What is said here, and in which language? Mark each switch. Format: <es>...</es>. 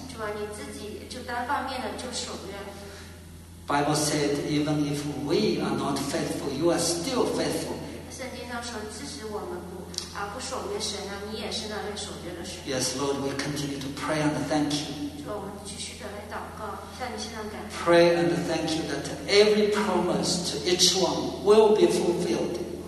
<zh>主啊，你自己就单方面的就守约。</zh> <en>Bible said, even if we are not faithful, you are still faithful.</en> <zh>圣经上说，即使我们不守约神啊，你也是那位守约的神。</zh> <en>Yes, Lord, we continue to pray and thank you.</en> <zh>主啊，我们继续的来祷告，向你献上感恩。</zh> <en>Pray and thank you that every promise to each one will be fulfilled.</en>